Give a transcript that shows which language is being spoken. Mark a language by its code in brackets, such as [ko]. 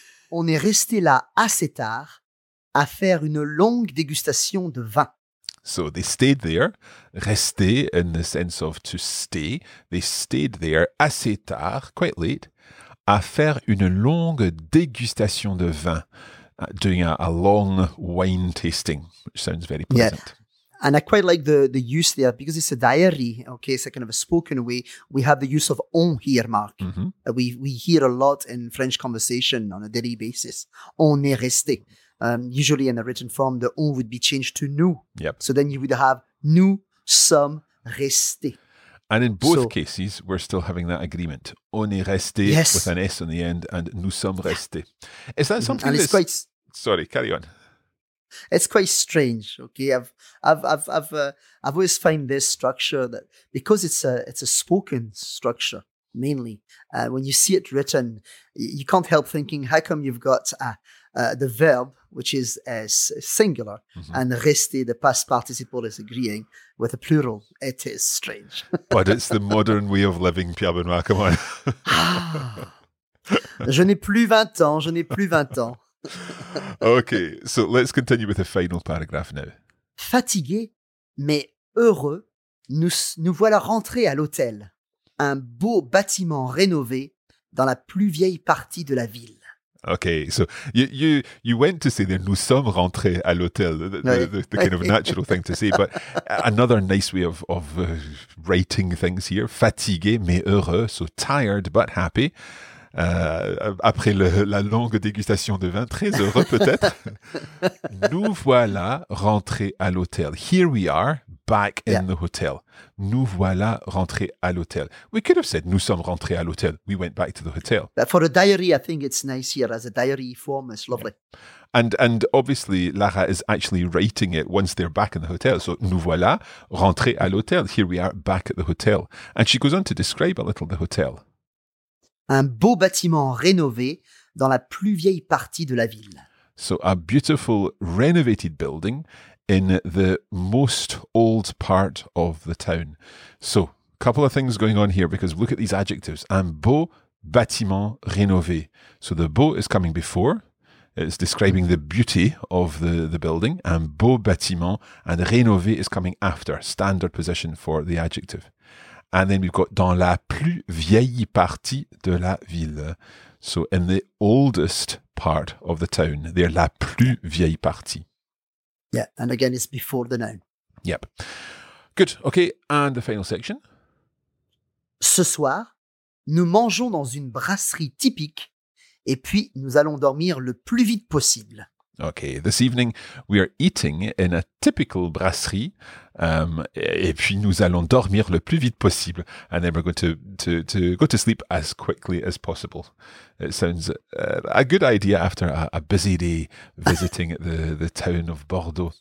[fr] On est resté là assez tard à faire une longue dégustation de vin. [en] So they stayed there. Resté in the sense of to stay. They stayed there [fr] assez tard, [en] quite late, [fr] à faire une longue dégustation de vin. [en] Doing a long wine tasting, which sounds very pleasant. Yeah. And I quite like the use there because it's a diary, okay? It's a kind of a spoken way. We have the use of on here, Mark. Mm-hmm. We hear a lot in French conversation on a daily basis. [fr] On est resté. [en] Usually in a written form, the on would be changed to nous. Yep. So then you would have [fr] nous sommes restés. [en] And in both cases, we're still having that agreement. [fr] On est resté [en] with an S on the end and [fr] nous sommes restés. [en] Is that something and that's... It's quite... Sorry, carry on. It's quite strange, okay. I've always find this structure that because it's a spoken structure, mainly. When you see it written, you can't help thinking, how come you've got the verb, which is singular, mm-hmm. and rester, the past participle, is agreeing with a plural? It is strange. But it's the modern way of living, Pierre Benoit, come on. [fr] Je n'ai plus 20 ans, je n'ai plus 20 ans. [en] Okay, so let's continue with the final paragraph now. [fr] Fatigué, mais heureux, nous voilà rentrés à l'hôtel, un beau bâtiment rénové dans la plus vieille partie de la ville. [en] Okay, so you went to say that [fr] nous sommes rentrés à l'hôtel, [en] the kind of natural thing to say, but another nice way of writing things here. [fr] Fatigué, mais heureux, [en] so tired but happy. [fr] Après la longue dégustation de vin, très heureux peut-être. Nous voilà rentrés à l'hôtel. [en] Here we are, back in the hotel. [fr] Nous voilà rentrés à l'hôtel. [en] We could have said, [fr] nous sommes rentrés à l'hôtel. [en] We went back to the hotel. But for a diary, I think it's nice here as a diary form. It's lovely. Yeah. And obviously, Lara is actually writing it once they're back in the hotel. [fr] So, nous voilà rentrés à l'hôtel. [en] Here we are, back at the hotel. And she goes on to describe a little the hotel. [fr] Un beau bâtiment rénové dans la plus vieille partie de la ville. [en] So a beautiful renovated building in the most old part of the town. So, a couple of things going on here because look at these adjectives. [fr] Un beau bâtiment rénové. [en] So the beau is coming before. It's describing the beauty of the building. [fr] Un beau bâtiment [en] and rénové is coming after. Standard position for the adjective. And then we've got [fr] dans la plus vieille partie de la ville. [en] So in the oldest part of the town, they're [fr] la plus vieille partie. [en] Yeah, and again, it's before the noun. Yep. Good. Okay, and the final section. [fr] Ce soir, nous mangeons dans une brasserie typique et puis nous allons dormir le plus vite possible. [en] Okay, this evening we are eating in a typical brasserie [fr] et puis nous allons dormir le plus vite possible [en] and then we're going to go to sleep as quickly as possible. It sounds a good idea after a busy day visiting the town of Bordeaux.